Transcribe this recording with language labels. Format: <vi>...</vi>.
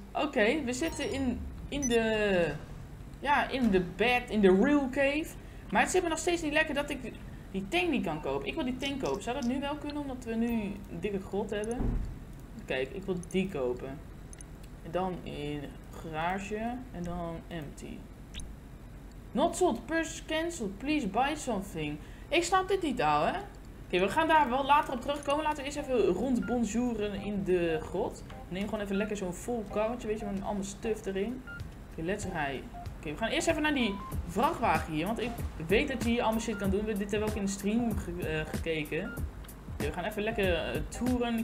<nl>Oké, we zitten in de... Ja, in de bed, in de real cave. Maar het zit me nog steeds niet lekker dat ik... Die tank niet kan kopen. Ik wil die tank kopen. Zou dat nu wel kunnen, omdat we nu een dikke grot hebben? Kijk, ik wil die kopen. En dan in garage en dan empty.</nl> <en>Not sold, purchase cancelled, please buy something.</en> <nl>Ik snap dit niet, ouwe. Oké, we gaan daar wel later op terugkomen. Laten we eerst even rond bonjouren in de grot. Neem gewoon even lekker zo'n vol kantje, weet je, met een ander stuff erin. Oké, let's rij. Oké, we gaan eerst even naar die vrachtwagen hier. Want ik weet dat je hier allemaal shit kan doen. Dit hebben we ook in de stream gekeken. Oké, we gaan even lekker toeren.</nl>